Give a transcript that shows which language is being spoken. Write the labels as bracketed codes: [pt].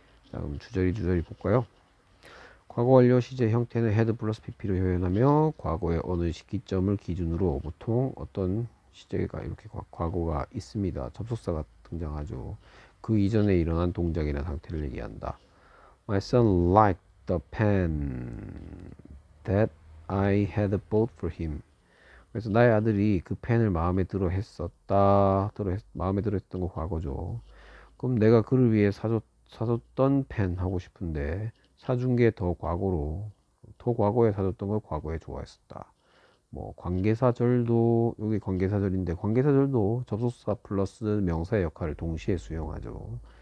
[ko] 자 그럼 주저리 주저리 볼까요? 과거 완료 시제 형태는 had 플러스 pp로 표현하며 과거의 어느 시기점을 기준으로 보통 어떤 시제가 이렇게 과거가 있습니다. 접속사가 등장하죠. 그 이전에 일어난 동작이나 상태를 얘기한다. [en] My son liked the pen that I had bought for him. [ko] 그래서 나의 아들이 그 펜을 마음에 들어 했었다. 마음에 들어 했던 거 과거죠. 그럼 내가 그를 위해 사줬던 펜 하고 싶은데 사준 게더 과거로 더 과거에 사줬던 걸 과거에 좋아했었다. 뭐 관계사절도 여기 관계사절인데 관계사절도 접속사 플러스 명사의 역할을 동시에 수용하죠.